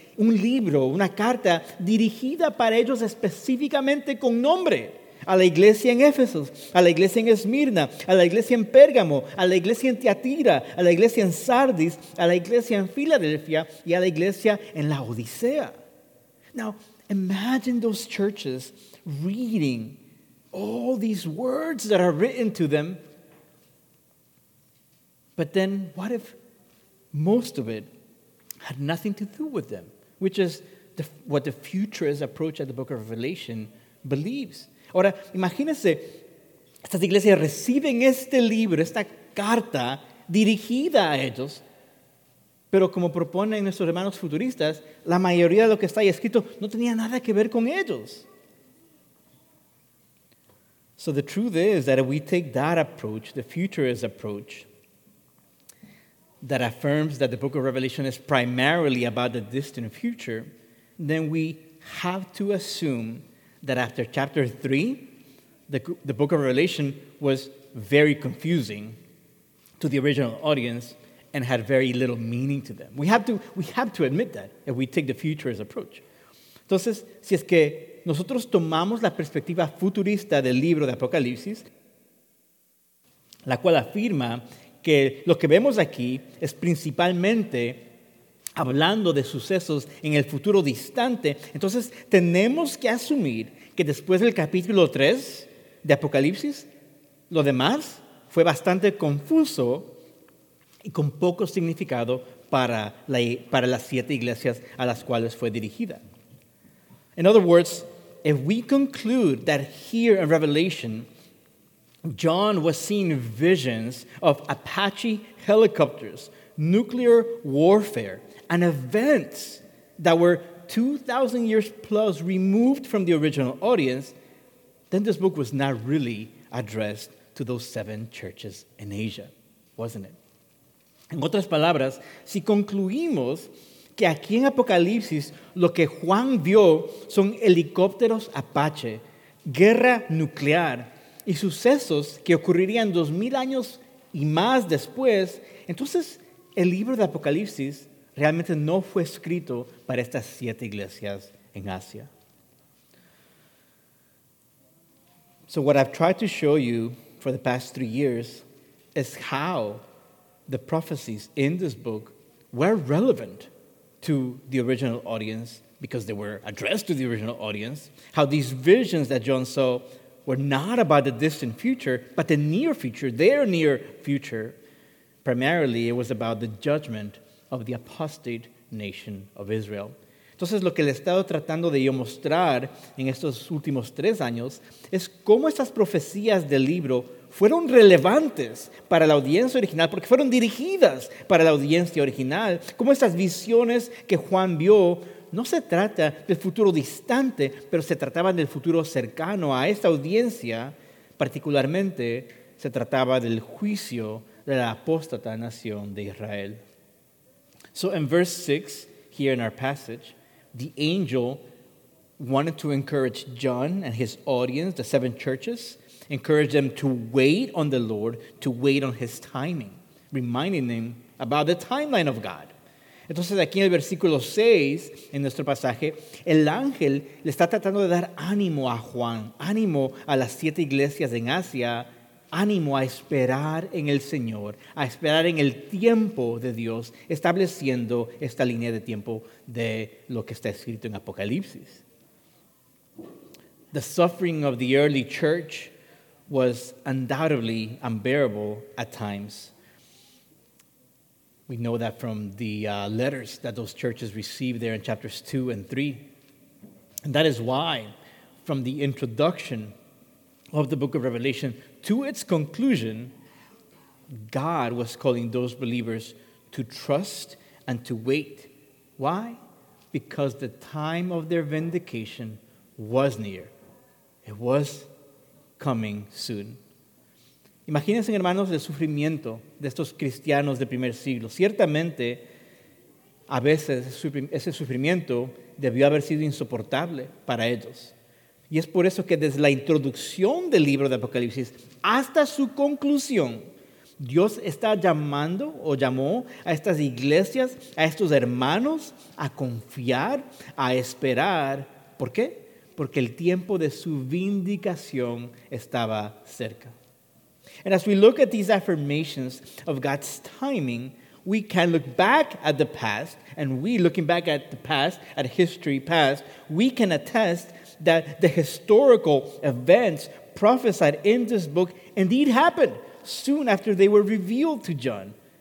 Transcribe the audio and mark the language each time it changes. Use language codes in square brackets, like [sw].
[es] un libro, una carta dirigida para ellos específicamente con nombre, a la iglesia en Éfeso, a la iglesia en Esmirna, a la iglesia en Pérgamo, a la iglesia en Tiatira, a la iglesia en Sardis, a la iglesia en Filadelfia y a la iglesia en Laodicea. [en] Now, imagine those churches reading all these words that are written to them. But then, what if most of it had nothing to do with them? Which is what the futurist approach at the book of Revelation believes. [es] Ahora, imagínense, estas iglesias reciben este libro, esta carta dirigida a ellos, pero como proponen nuestros hermanos futuristas, la mayoría de lo que está ahí escrito no tenía nada que ver con ellos. [en] So the truth is that if we take that approach, the futurist approach, that affirms that the book of Revelation is primarily about the distant future, then we have to assume that after chapter 3, the book of Revelation was very confusing to the original audience and had very little meaning to them. We have to admit that if we take the futurist approach. [es] Entonces, si es que nosotros tomamos la perspectiva futurista del libro de Apocalipsis, la cual afirma que lo que vemos aquí es principalmente hablando de sucesos en el futuro distante, entonces tenemos que asumir que después del capítulo 3 de Apocalipsis, lo demás fue bastante confuso y con poco significado para las siete iglesias a las cuales fue dirigida. [en] In other words, if we conclude that here in Revelation, John was seeing visions of Apache helicopters, nuclear warfare, and events that were 2,000 years plus removed from the original audience, then this book was not really addressed to those seven churches in Asia, wasn't it? [es] En otras palabras, si concluimos que aquí en Apocalipsis lo que Juan vio son helicópteros Apache, guerra nuclear y sucesos que ocurrirían 2,000 años y más después, entonces el libro de Apocalipsis realmente no fue escrito para estas siete iglesias en Asia. [en] So what I've tried to show you for the past 3 years is how the prophecies in this book were relevant to the original audience because they were addressed to the original audience, how these visions that John saw were not about the distant future, but the near future, their near future. Primarily, it was about the judgment of the apostate nation of Israel. [es] Entonces, lo que le he estado tratando de yo mostrar en estos últimos 3 años es cómo estas profecías del libro fueron relevantes para la audiencia original porque fueron dirigidas para la audiencia original. Cómo estas visiones que Juan vio no se trata del futuro distante, pero se trataban del futuro cercano a esta audiencia. Particularmente, se trataba del juicio de la apóstata nación de Israel. [en] So in verse 6, here in our passage, the angel wanted to encourage John and his audience, the seven churches, encourage them to wait on the Lord, to wait on his timing, reminding them about the timeline of God. [es] Entonces aquí en el versículo 6, en nuestro pasaje, el ángel le está tratando de dar ánimo a Juan, ánimo a las siete iglesias en Asia, ánimo a esperar en el Señor, a esperar en el tiempo de Dios, estableciendo esta línea de tiempo de lo que está escrito en Apocalipsis. [en] The suffering of the early church was undoubtedly unbearable at times. We know that from the letters that those churches received there in chapters 2 and 3. And that is why, from the introduction of the book of Revelation to its conclusion, God was calling those believers to trust and to wait. Why? Because the time of their vindication was near. It was coming soon. [es] Imagínense, hermanos, el sufrimiento de estos cristianos del primer siglo. Ciertamente, a veces ese sufrimiento debió haber sido insoportable para ellos. Y es por eso que desde la introducción del libro de Apocalipsis hasta su conclusión, Dios está llamando o llamó a estas iglesias, a estos hermanos, a confiar, a esperar. ¿Por qué? Porque el tiempo de su vindicación estaba cerca. [en] And as we look at these affirmations of God's timing, we can look back at the past, and we, looking back at the past, at history past, we can attest that the historical events prophesied in this book indeed happened soon after they were revealed to John.